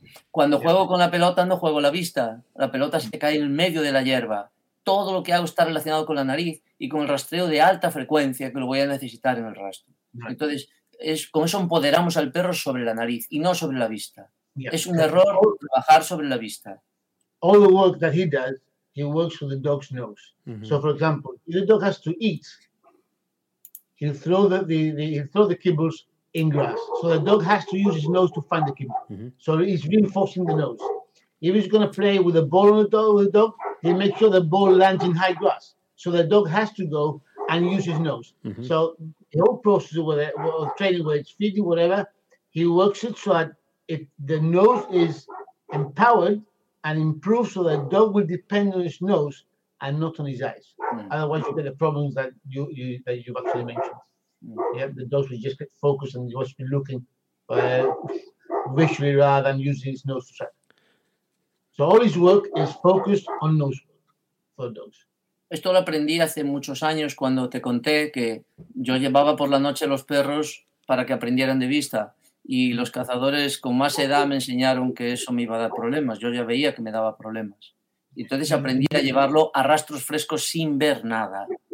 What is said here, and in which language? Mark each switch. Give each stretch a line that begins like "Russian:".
Spanish: Cuando juego con la pelota, no juego la vista. La pelota se cae en el medio de la hierba. Todo lo que hago está relacionado con la nariz y con el rastreo de alta frecuencia que lo voy a necesitar en el rastro. Entonces, con eso empoderamos al perro sobre la nariz y no sobre la vista. Es un error trabajar sobre la vista.
English: All the work that he does, he works with the dog's nose. Mm-hmm. So, for example, if the dog has to eat, he'll throw the kibbles in grass. So the dog has to use his nose to find the kibble. Mm-hmm. So he's reinforcing the nose. If he's going to play with a ball on the dog, he makes sure the ball lands in high grass. So the dog has to go and use his nose. Mm-hmm. So the whole process of training, whether it's feeding, whatever, he works it so that if the nose is empowered and improved, so the dog will depend on his nose and not on his eyes. Mm-hmm. Otherwise, you get the problems that you've actually mentioned. Mm-hmm. Yeah, the dogs will just get focused and just be looking visually rather than using his nose to track. So all his work is focused on nose work for dogs.
Spanish: Esto lo aprendí hace muchos años cuando te conté que yo llevaba por la noche los perros para que aprendieran de vista y los cazadores con más edad me enseñaron que eso me iba a dar problemas. Yo ya veía que me daba problemas. Y entonces aprendí a llevarlo a rastros frescos sin ver nada.